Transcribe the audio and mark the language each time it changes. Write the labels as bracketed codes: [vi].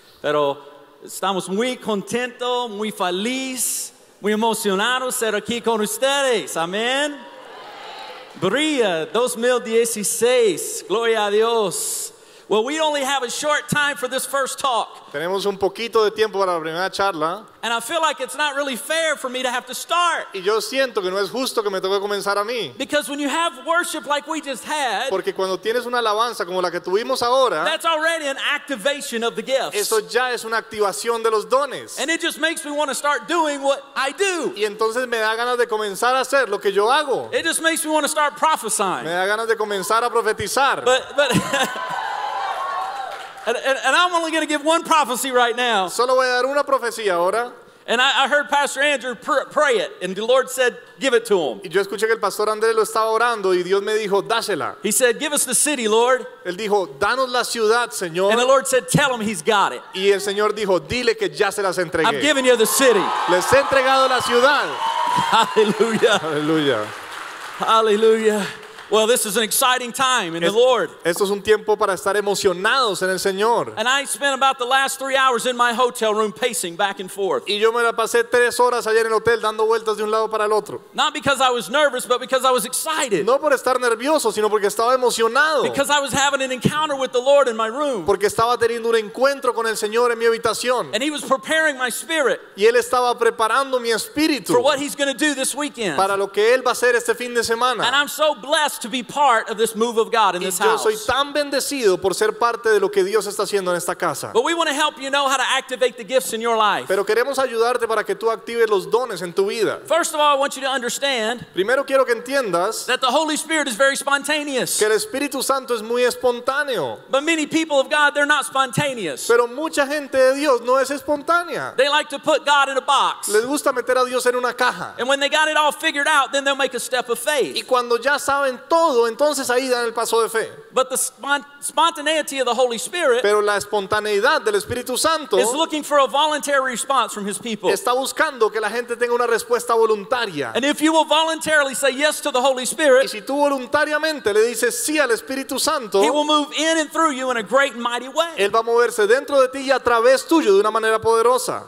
[es] Pero estamos muy contentos, muy felices, muy emocionados de ser aquí con ustedes. Amén. Brilla 2016, gloria a Dios. [en] Well, we only have a short time for this first talk. [es] Tenemos un poquito de tiempo para la primera charla. [en] And I feel like it's not really fair for me to have to start. [es] Y yo siento que no es justo que me toque comenzar a mí. [en] Because when you have worship like we just had, [es] porque cuando tienes una alabanza como la que tuvimos ahora, [en] that's already an activation of the gifts. [es] Eso ya es una activación de los dones. [en] And it just makes me want to start doing what I do. [es] Y entonces me da ganas de comenzar a hacer lo que yo hago. [en] It just makes me want to start prophesying. [es] Me da ganas de comenzar a profetizar. [en] But And I'm only going to give one prophecy right now. [es] Solo voy a dar una profecía ahora. [en] And I heard Pastor Andrew pray it, and the Lord said, "Give it to him." [es] Y yo escuché que el pastor Andrés lo estaba orando, y Dios me dijo, "Dásela." [en] He said, "Give us the city, Lord." [es] Él dijo, "Danos la ciudad, Señor." [en] And the Lord said, "Tell him he's got it." [es] Y el Señor dijo, "Dile que ya se las entregué." [en] I'm giving you the city. [es] Les he entregado la ciudad. [en] Hallelujah. Hallelujah. Hallelujah. Well, this is an exciting time in the Lord. [es] Esto es un tiempo para estar emocionados en el Señor. [en] And I spent about the last 3 hours in my hotel room pacing back and forth. [es] Y yo me la pasé 3 horas ayer en el hotel dando vueltas de un lado para el otro. [en] Not because I was nervous, but because I was excited. [es] No por estar nervioso, sino porque estaba emocionado. [en] Because I was having an encounter with the Lord in my room. [es] Porque estaba teniendo un encuentro con el Señor en mi habitación. [en] And he was preparing my spirit. [es] Y él estaba preparando mi espíritu. [en] For what he's going to do this weekend. [es] Para lo que él va a hacer este fin de semana. [en] And I'm so blessed to be part of this move of God in this house. [es] Y yo soy tan bendecido por ser parte de lo que Dios está haciendo en esta casa. [en] But we want to help you know how to activate the gifts in your life. [es] Pero queremos ayudarte para que tú actives los dones en tu vida. [en] First of all, I want you to understand. [es] Primero quiero que entiendas [en] that the Holy Spirit is very spontaneous. [es] Que el Espíritu Santo es muy espontáneo. [en] But many people of God, they're not spontaneous. [es] Pero mucha gente de Dios no es espontánea. [en] They like to put God in a box. [es] Les gusta meter a Dios en una caja. [en] And when they got it all figured out, then they'll make a step of faith. [es] Y cuando ya saben todo, entonces ahí dan el paso de fe. [en] But the spontaneity of the Holy Spirit, [es] pero la espontaneidad del Espíritu Santo, [en] is looking for a voluntary response from his people. [es] Está buscando que la gente tenga una respuesta voluntaria. [en] And if you will voluntarily say yes to the Holy Spirit, [es] y si tú voluntariamente le dices sí al Espíritu Santo, [en] he will move in and through you in a great and mighty way. [es] Él va a moverse dentro de ti y a través tuyo de una manera poderosa.